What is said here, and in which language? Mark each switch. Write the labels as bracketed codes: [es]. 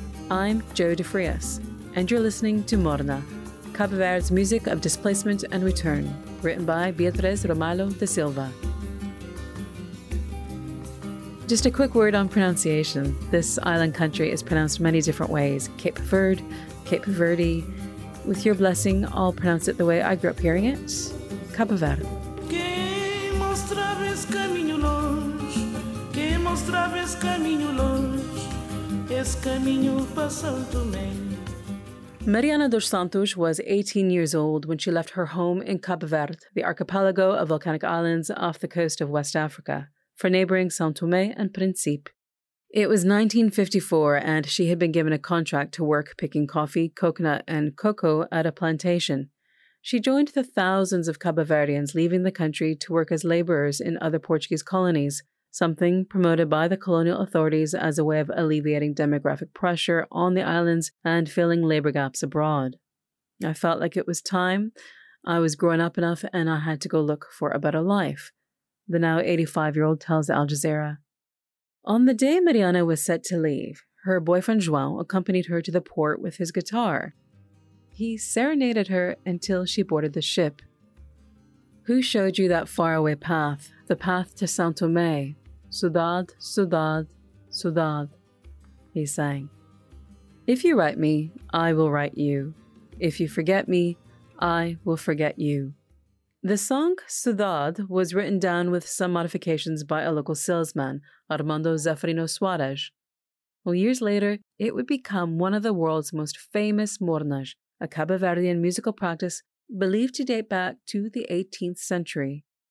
[en] I'm Jo de Frias, and you're listening to Morna, Cape Verde's Music of Displacement and Return, written by by-Beatriz Ramalho da Silva. Just a quick word on pronunciation. This island country is pronounced many different ways. Cape Verde, Cape Verde. With your blessing, I'll pronounce it the way I grew up hearing it. Cape Verde. [pt] Quem mostrava esse caminho longe? Quem mostrava esse caminho longe? Esse caminho passou também. [en] Mariana dos Santos was 18 years old when she left her home in Cape Verde, the archipelago of volcanic islands off the coast of West Africa, for neighboring São Tomé and Príncipe. It was 1954, and she had been given a contract to work picking coffee, coconut, and cocoa at a plantation. She joined the thousands of Cape Verdeans leaving the country to work as laborers in other Portuguese colonies, something promoted by the colonial authorities as a way of alleviating demographic pressure on the islands and filling labor gaps abroad. I felt like it was time. I was grown up enough, and I had to go look for a better life, the now 85-year-old tells Al Jazeera. On the day Mariana was set to leave, her boyfriend João accompanied her to the port with his guitar. He serenaded her until she boarded the ship. Who showed you that faraway path, the path to São Tomé? Sodade, sodade, sodade, he sang. If you write me, I will write you. If you forget me, I will forget you. The song Sodade was written down with some modifications by a local salesman, Armando Zeferino Suarez. Well, years later, it would become one of the world's most famous mornas, a Cape Verdean musical practice believed to date back to the 18th century.